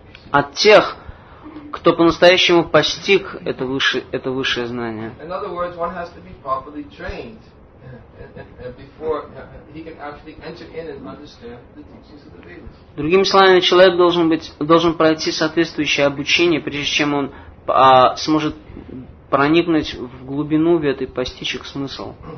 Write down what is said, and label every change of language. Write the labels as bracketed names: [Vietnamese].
[Russian] От тех, кто по-настоящему постиг это высшее знание. [English] In other words, one has to be properly trained before he can actually enter in and understand the teachings of the Vedas. [Russian] Другими словами, человек должен пройти соответствующее обучение, прежде чем он сможет проникнуть в глубину Вед и постичь их смысл.